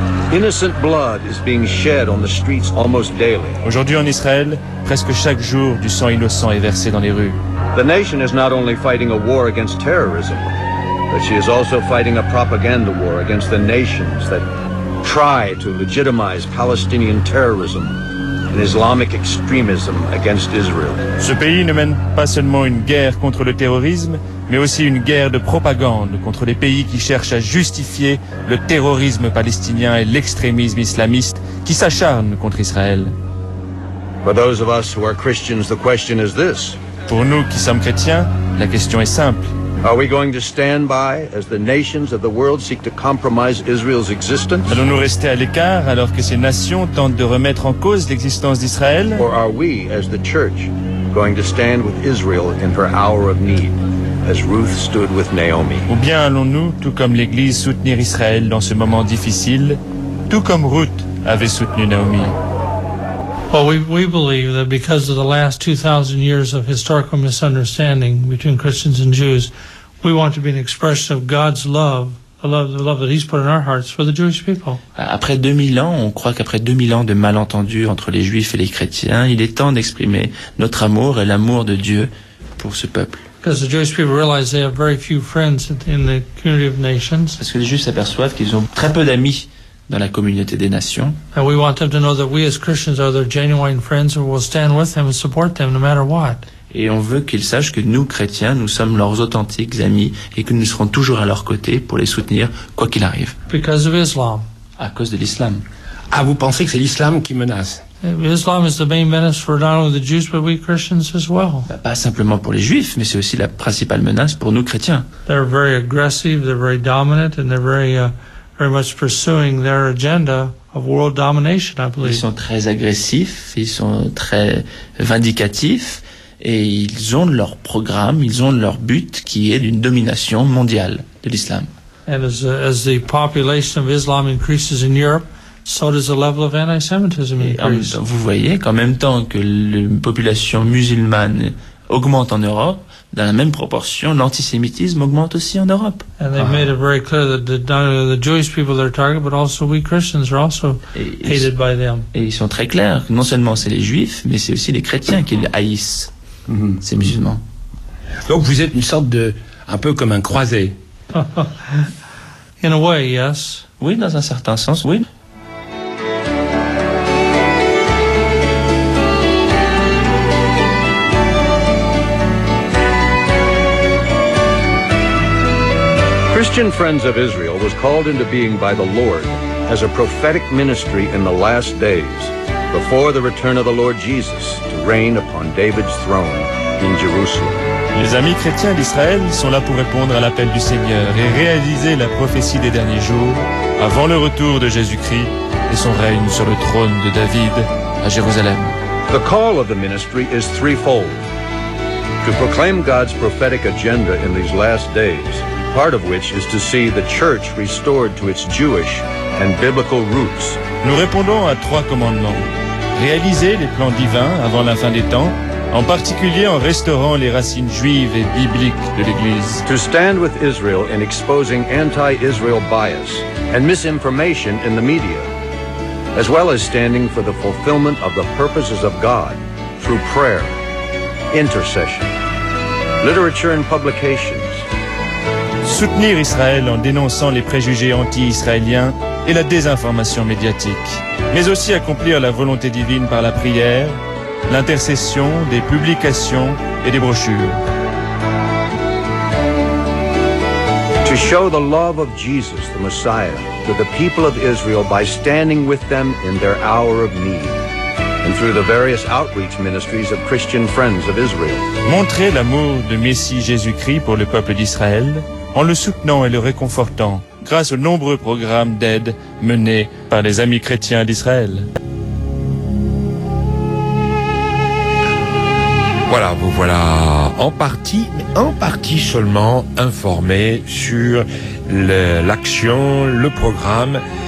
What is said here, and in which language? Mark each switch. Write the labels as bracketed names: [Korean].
[English] Innocent blood is being shed on the streets almost daily. [French] Aujourd'hui en Israël, presque chaque jour, du sang innocent est versé dans les rues. [English] The nation is not only fighting a war against terrorism, but she is also fighting a propaganda war against the nations that try to legitimize Palestinian terrorism and Islamic extremism against Israel. [French] Ce pays ne mène pas seulement une guerre contre le terrorisme, mais aussi une guerre de propagande contre les pays qui cherchent à justifier le terrorisme palestinien et l'extrémisme islamiste qui s'acharne contre Israël. [English] For those of us who are Christians, the question is this. [French] Pour nous qui sommes chrétiens, la question est simple. [English] Are we going to stand by as the nations of the world seek to compromise Israel's existence? [French] Allons-nous rester à l'écart alors que ces nations tentent de remettre en cause l'existence d'Israël? [English] Or are we, as the church, going to stand with Israel in her hour of need, as Ruth stood with Naomi? [French] Ou bien allons-nous, tout comme l'Église, soutenir Israël dans ce moment difficile, tout comme Ruth avait soutenu Naomi? [English] Well, we believe that because of the last 2,000 years of historical misunderstanding between Christians and Jews, we want to be an expression of God's love, the love that He's put in our hearts for the Jewish people. [French] Après 2000 ans, on croit qu'après 2000 ans de malentendus entre les Juifs et les chrétiens, il est temps d'exprimer notre amour et l'amour de Dieu pour ce peuple. [English] Because the Jewish people realize they have very few friends in the community of nations. [French] Parce que les Juifs s'aperçoivent qu'ils ont très peu d'amis dans la communauté des nations. [English] And we want them to know that we as Christians are their genuine friends who will stand with them and support them no matter what. [French] Et on veut qu'ils sachent que nous, chrétiens, nous sommes leurs authentiques amis et que nous serons toujours à leur côté pour les soutenir quoi qu'il arrive. [English] Because of Islam. [French] À cause de l'islam. Ah, vous pensez que c'est l'islam qui menace? [English] Islam is the main menace for not only the Jews but we Christians as well. [French] Pas simplement pour les Juifs, mais c'est aussi la principale menace pour nous chrétiens. [English] They're very aggressive, they're very dominant, and they're very much pursuing their agenda of world domination, I believe. [French] Ils sont très agressifs, ils sont très vindicatifs, et ils ont leur programme, ils ont leur but qui est d'une domination mondiale de l'islam. [English] And as the population of Islam increases in Europe, so does the level of anti-Semitism increase. [French] Vous voyez qu'en même temps que la population musulmane augmente en Europe, dans la même proportion, l'antisémitisme augmente aussi en Europe. [English] And they made it very clear that the Jewish people are target, but also we Christians are also hated by them. [French] Et ils sont très clairs. Non seulement c'est les Juifs, mais c'est aussi les chrétiens qu'ils haïssent, ces musulmans. Donc vous êtes une sorte de, un peu comme un croisé. [English] In a way, yes. [French] Oui, dans un certain sens, oui. [English] Christian Friends of Israel was called into being by the Lord as a prophetic ministry in the last days, before the return of the Lord Jesus to reign upon David's throne in Jerusalem. [French] Les amis chrétiens d'Israël sont là pour répondre à l'appel du Seigneur et réaliser la prophétie des derniers jours avant le retour de Jésus-Christ et son règne sur le trône de David à Jérusalem. [English] The call of the ministry is threefold. To proclaim God's prophetic agenda in these last days, part of which is to see the church restored to its Jewish and biblical roots. [French] Nous répondons à trois commandements. Réaliser les plans divins avant la fin des temps, en particulier en restaurant les racines juives et bibliques de l'Église. [English] To stand with Israel in exposing anti-Israel bias and misinformation in the media, as well as standing for the fulfillment of the purposes of God through prayer, intercession, literature and publication. [French] Soutenir Israël en dénonçant les préjugés anti-israéliens et la désinformation médiatique, mais aussi accomplir la volonté divine par la prière, l'intercession, des publications et des brochures. [English] To show the love of Jesus, the Messiah, to the people of Israel by standing with them in their hour of need. And through the various outreach ministries of Christian Friends of Israel. [French] Montrer l'amour de Messie Jésus-Christ pour le peuple d'Israël en le soutenant et le réconfortant grâce aux nombreux programmes d'aide menés par les amis chrétiens d'Israël. Voilà, vous voilà en partie, mais en partie seulement informés sur l'action, le programme